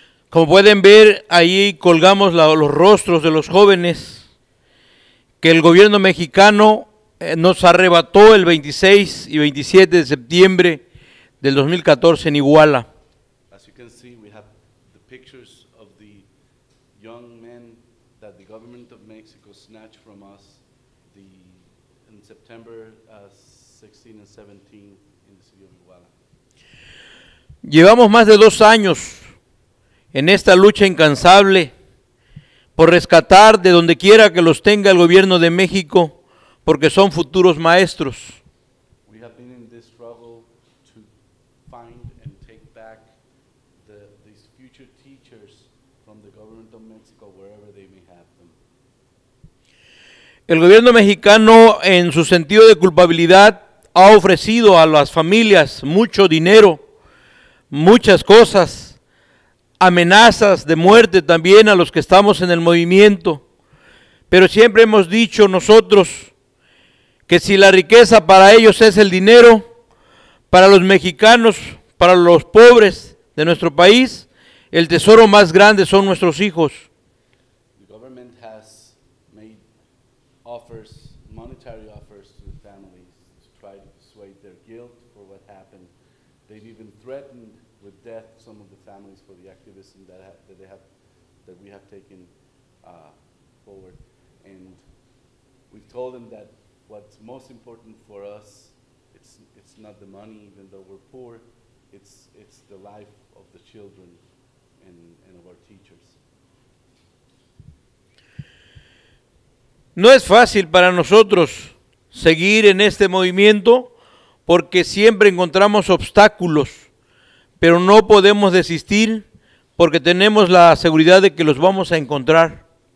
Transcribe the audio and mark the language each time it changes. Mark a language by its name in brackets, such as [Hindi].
[Spanish] Como pueden ver, ahí colgamos los rostros de los jóvenes que el gobierno mexicano nos arrebató el 26 y 27 de septiembre del 2014 en Iguala. [English] As you can see, we have the pictures of the young men that the government of Mexico snatched from us in September 16 and 17 in the city of Iguala. [Spanish] Llevamos más de 2 años en esta lucha incansable por rescatar de donde quiera que los tenga el gobierno de México, porque son futuros maestros. [English] We have been in this struggle to find and take back these future teachers from the government of Mexico, wherever they may have them. [Spanish] El gobierno mexicano, en su sentido de culpabilidad, ha ofrecido a las familias mucho dinero, muchas cosas, amenazas de muerte también a los que estamos en el movimiento. Pero siempre hemos dicho nosotros que si la riqueza para ellos es el dinero, para los mexicanos, para los pobres de nuestro país, el tesoro más grande son nuestros hijos. [English] The government has made offers, monetary offers to the families to try to dissuade their guilt for what happened. They've even threatened with death some of the families for the activism that we have taken forward. And we've told them that what's most important for us, it's not the money, even though we're poor, it's the life of the children and of our teachers. [Spanish] No es fácil para nosotros seguir en este movimiento porque siempre encontramos obstáculos, pero no podemos desistir porque tenemos la seguridad de que los vamos a encontrar.